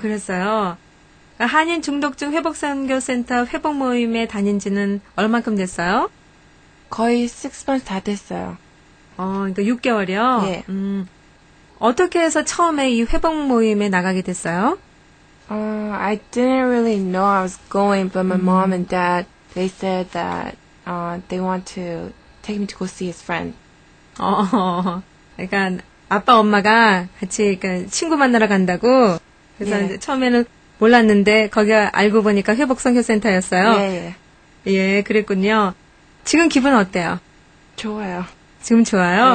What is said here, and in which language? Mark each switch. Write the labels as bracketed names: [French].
[Korean] 그랬어요. 한인 중독 증 회복 선교센터 회복 모임에 다닌지는 얼마큼 됐어요? 거의 [English] 6 months [Korean] 다 됐어요. 그러니까 6개월이요? 예. 어떻게 해서 처음에 이 회복 모임에 나가게 됐어요? [English] I didn't really know I was going, but my mom and dad, they said that they want to take me to go see his friend. [Korean] 그러니까 아빠 엄마가 같이 그러니까 친구 만나러 간다고. 그래서 예. 이제 처음에는 몰랐는데 거기 알고 보니까 회복 선교센터였어요. 예. 예, 그랬군요. 지금 기분 어때요? 좋아요. 지금 좋아요?